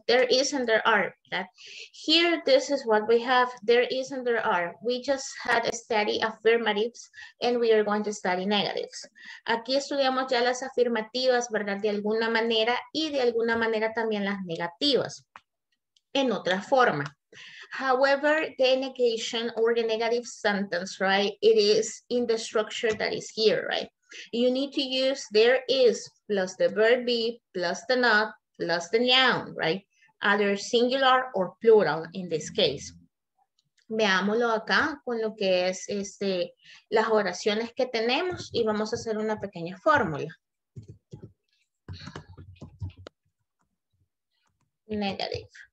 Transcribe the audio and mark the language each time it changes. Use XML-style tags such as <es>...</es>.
<en>There is and there are. That here, this is what we have. There is and there are. We just had a study affirmatives and we are going to study negatives.</en> <es>Aquí estudiamos ya las afirmativas, ¿verdad? De alguna manera y de alguna manera también las negativas. En otra forma.</es> <en>However, the negation or the negative sentence, right? It is in the structure that is here, right? You need to use there is plus the verb be plus the not plus the noun, right? Either singular or plural in this case.</en> <es>Veámoslo acá con lo que es este, las oraciones que tenemos y vamos a hacer una pequeña fórmula.</es> <en>Negative.</en>